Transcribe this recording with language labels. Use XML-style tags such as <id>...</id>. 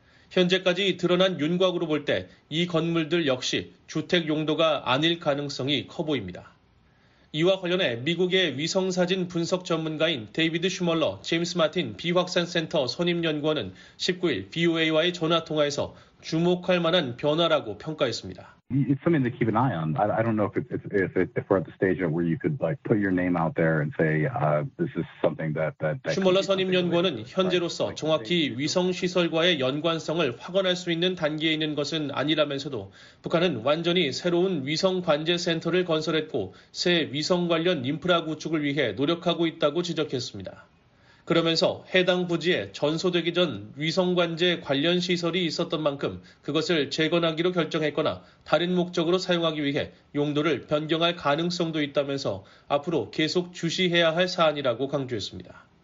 <ko>현재까지 드러난 윤곽으로 볼 때 이 건물들 역시 주택 용도가 아닐 가능성이 커 보입니다. 이와 관련해 미국의 위성사진 분석 전문가인 데이비드 슈멀러 제임스 마틴 비확산센터 선임연구원은 19일 BOA와의 전화통화에서 주목할 만한 변화라고 평가했습니다.</ko> <en>It's something to keep an eye on. I don't know if we're at the stage where you could like put your name out there and say this is something that.</en> <ko>슈멀러 선임 연구원은 현재로서 정확히 위성 시설과의 연관성을 확언할 수 있는 단계에 있는 것은 아니라면서도 북한은 완전히 새로운 위성 관제 센터를 건설했고 새 위성 관련 인프라 구축을 위해 노력하고 있다고 지적했습니다. 그러면서 해당 부지에 전소되기 전 위성관제 관련 시설이 있었던 만큼 그것을 재건하기로 결정했거나 다른 목적으로 사용하기 위해 용도를 변경할 가능성도 있다면서 앞으로 계속 주시해야 할 사안이라고 강조했습니다.</ko>